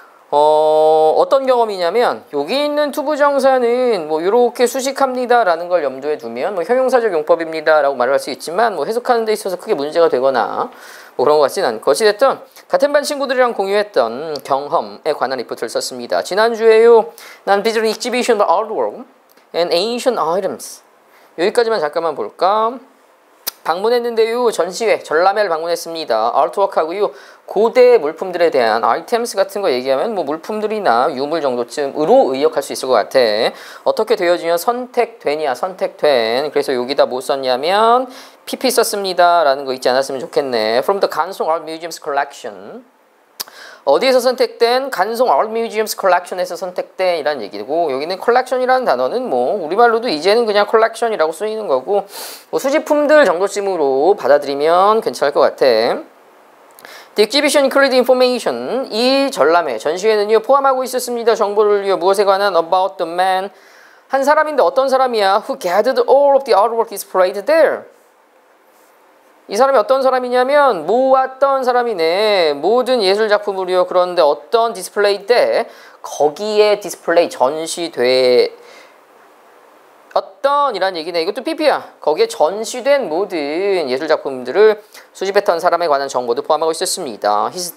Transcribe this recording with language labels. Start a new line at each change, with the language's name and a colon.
Korean: 어떤 경험이냐면 여기 있는 투부정사는 뭐 이렇게 수식합니다라는 걸 염두에 두면 뭐 형용사적 용법입니다라고 말을 할 수 있지만 뭐 해석하는 데 있어서 크게 문제가 되거나 뭐 그런 것 같지는 않고 어찌됐든 같은 반 친구들이랑 공유했던 경험에 관한 리포트를 썼습니다. 지난주에요.
English: 난 visiting exhibition of artwork and ancient items.
Korean: 여기까지만 잠깐만 볼까? 방문했는데요. 전시회, 전람회를 방문했습니다. 아트워크하고요. 고대 물품들에 대한 아이템스 같은 거 얘기하면 뭐 물품들이나 유물 정도쯤으로 의역할 수 있을 것 같아. 어떻게 되어지면 선택되냐, 선택된. 그래서 여기다 뭐 썼냐면 PP 썼습니다. 라는 거 잊지 않았으면 좋겠네.
English: From the Gansong Art Museum's collection.
Korean: 어디에서 선택된? 간송 Art Museum's Collection에서 선택된 이란 얘기고 여기는 Collection이라는 단어는 뭐 우리말로도 이제는 그냥 Collection이라고 쓰이는 거고 뭐 수집품들 정도쯤으로 받아들이면 괜찮을 것 같아.
English: The exhibition included information.
Korean: 이 전람회, 전시회는요 포함하고 있었습니다. 정보를 위해 무엇에 관한
English: About the man.
Korean: 한 사람인데 어떤 사람이야?
English: Who gathered all of the artwork displayed there?
Korean: 이 사람이 어떤 사람이냐면 모았던 사람이네. 모든 예술 작품을요. 그런데 어떤 디스플레이 때 거기에 디스플레이 전시돼 어떤 이란 얘기네. 이것도 PP야. 거기에 전시된 모든 예술 작품들을 수집했던 사람에 관한 정보도 포함하고 있었습니다.